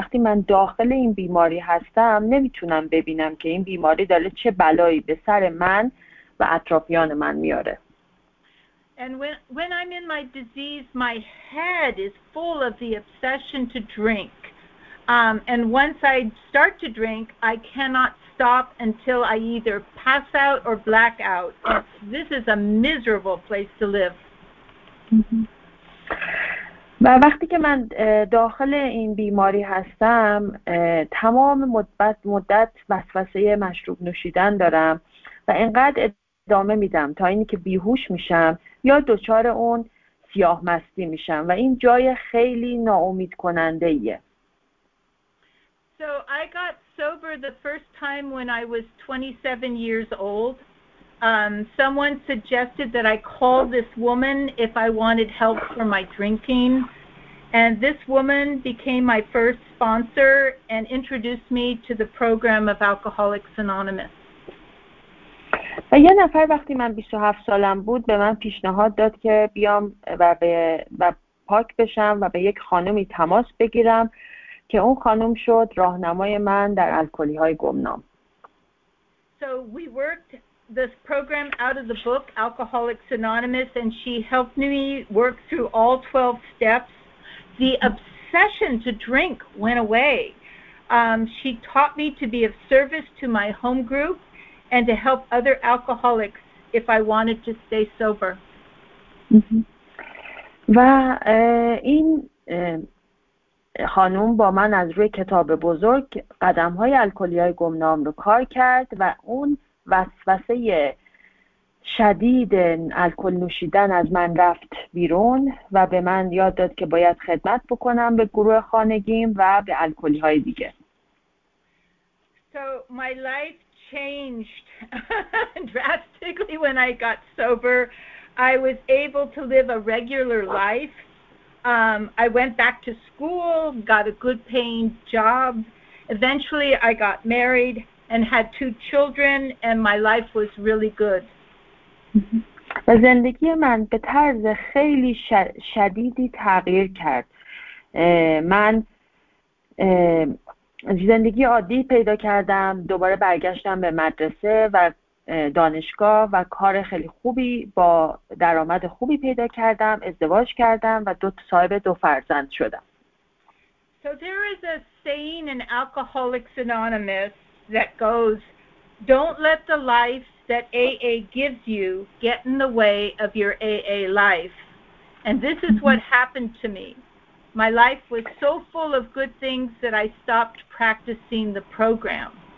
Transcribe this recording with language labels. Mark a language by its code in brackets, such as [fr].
[fa] وقتی من داخل این بیماری هستم، نمی تونم ببینم که این بیماری داره چه بلایی به سر من و اطرافیان من میاره. [en] And when I'm in my disease, my head is full of the obsession to drink. And once I start to drink, I cannot stop until I either pass out or black out. This is a miserable place to live. [fa] و وقتی که من داخل این بیماری هستم، تمام مدت وسوسه مشروب نوشیدن دارم و اینقدر ادامه میدم تا اینی که بیهوش میشم یا دچار اون سیاه مستی میشم و این جای خیلی ناامید کننده ایه. [en] So I got sober the first time when I was 27 years old. Someone suggested that I call this woman if I wanted help for my drinking. And this woman became my first sponsor and introduced me to the program of Alcoholics Anonymous. [fa] و یه نفر وقتی من 27 سالم بود به من پیشنهاد داد که بیام و پاک بشم و به یک خانومی تماس بگیرم که اون خانوم شد راهنمای من در الکلی های گمنام. [en] So we worked this program out of the book Alcoholics Anonymous and she helped me work through all 12 steps. The obsession to drink went away. She taught me to be of service to my home group and to help other alcoholics if I wanted to stay sober. [fa] و این خانم با من از روی کتاب بزرگ قدم‌های الکلی‌های گمنام رو کار کرد و اون وسوسه شدید الکل نوشیدن از من رفت بیرون و به من یاد داد که باید خدمت بکنم به گروه خانگیم و به الکلی‌های دیگه. [en] So my life changed drastically when I got sober. I was able to live a regular life. I went back to school, got a good paying job. Eventually I got married and had two children and my life was really good. [fa] زندگی من به طرز خیلی شدیدی تغییر کرد. من زندگی عادی پیدا کردم، دوباره برگشتم به مدرسه و دانشگاه و کار خیلی خوبی با درآمد خوبی پیدا کردم، ازدواج کردم و صاحب دو فرزند شدم. [en] So there is a saying in Alcoholics Anonymous that goes, don't let the life that AA gives you get in the way of your AA life. And this is what happened to me. My life was so full of good things that I stopped practicing the program.